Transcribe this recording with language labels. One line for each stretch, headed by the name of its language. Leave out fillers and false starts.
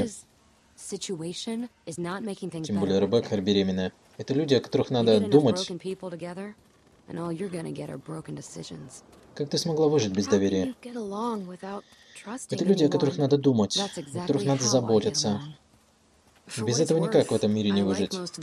English: And Rebecca's situation is not making things better.
Russian: Тем более Ребекка беременная. Это люди, о которых надо думать.
English: Broken people together, and all you're gonna get are broken decisions.
Russian: Как ты смогла выжить без доверия? Это люди, о которых надо думать,
English: exactly
Russian: о которых надо заботиться. Без этого никак в этом мире не выжить.